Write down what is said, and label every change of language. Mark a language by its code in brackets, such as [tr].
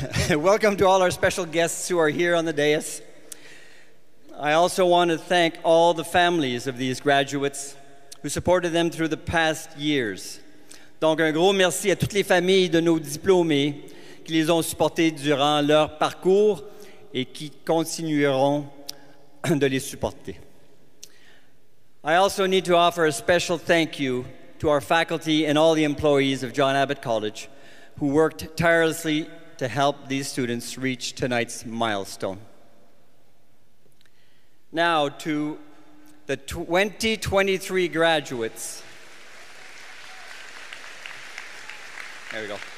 [en] Welcome to all our special guests who are here on the dais. I also want to thank all the families of these graduates who supported them through the past years. [fr] Donc, un gros merci à toutes les familles de nos diplômés qui les ont supportés durant leur parcours et qui continueront de les supporter. [en] I also need to offer a special thank you to our faculty and all the employees of John Abbott College who worked tirelessly to help these students reach tonight's milestone. Now to the 2023 graduates. There we go.